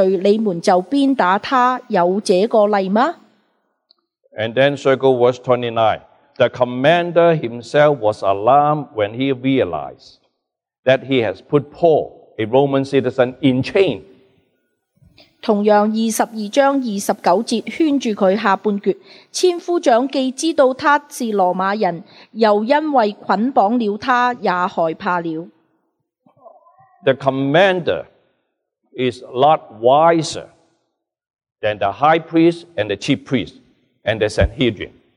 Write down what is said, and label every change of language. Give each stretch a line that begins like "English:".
Chinese: 刚用皮条捆上保罗对旁边站着的百夫长说：人是罗马人，又没有定罪，你们就鞭打他，有这个例吗？
English: And then circle verse 29. The commander himself was alarmed when he realized that he has put Paul, a Roman citizen, in chain.
Chinese: 同样22章29节圈住他半橛，千夫长既知道他是罗马人，又因为捆绑了他，也害怕了。The
English: commander is a lot wiser than the high priest and the chief priest and the Sanhedrin.